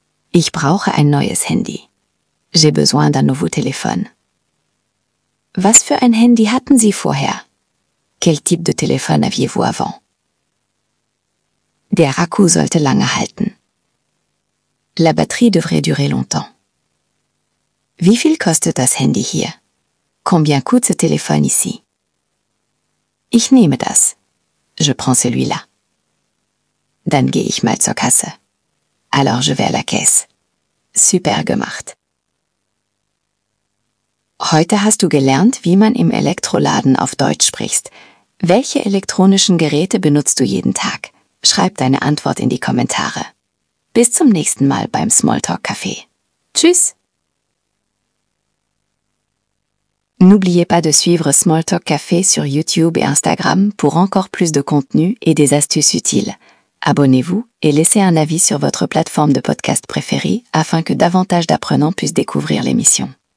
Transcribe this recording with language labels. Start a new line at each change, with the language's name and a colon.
German: Ich brauche ein neues Handy.
French: J'ai besoin d'un nouveau téléphone.
German: Was für ein Handy hatten Sie vorher?
French: Quel type de téléphone aviez-vous avant?
German: Der Akku sollte lange halten.
French: La batterie devrait durer longtemps.
German: Wie viel kostet das Handy hier?
French: Combien coûte ce téléphone ici?
German: Ich nehme das.
French: Je prends celui-là.
German: Dann gehe ich mal zur Kasse.
French: Alors je vais à la caisse.
German: Super gemacht. Heute hast du gelernt, wie man im Elektroladen auf Deutsch spricht. Welche elektronischen Geräte benutzt du jeden Tag? Schreib deine Antwort in die Kommentare. Bis zum nächsten Mal beim Smalltalk Café. Tschüss!
French: N'oubliez pas de suivre Smalltalk Café sur YouTube et Instagram pour encore plus de contenu et des astuces utiles. Abonnez-vous et laissez un avis sur votre plateforme de podcast préférée afin que davantage d'apprenants puissent découvrir l'émission.